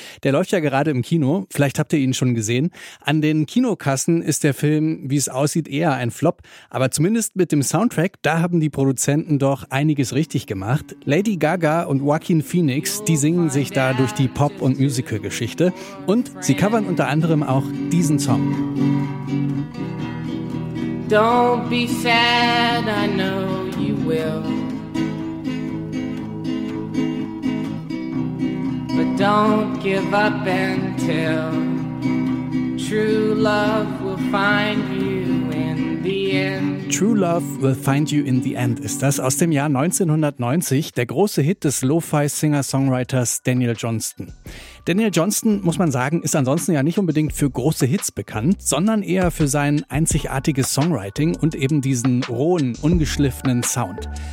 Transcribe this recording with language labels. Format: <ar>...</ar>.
<de>Der läuft ja gerade im Kino. Vielleicht habt ihr ihn schon gesehen. An den Kinokassen ist der Film, wie es aussieht, eher ein Flop. Aber zumindest mit dem Soundtrack, da haben die Produzenten doch einiges richtig gemacht. Lady Gaga und Joaquin Phoenix, die singen sich da durch die Pop- und Musical-Geschichte. Und sie covern unter anderem auch diesen Song.</de> <en>Don't be sad, I know you will. Don't give up until true love will find you in the end.</en> <de>True Love Will Find You in the End ist das aus dem Jahr 1990, der große Hit des Lo-Fi-Singer-Songwriters Daniel Johnston. Daniel Johnston, muss man sagen, ist ansonsten ja nicht unbedingt für große Hits bekannt, sondern eher für sein einzigartiges Songwriting und eben diesen rohen, ungeschliffenen Sound.</de>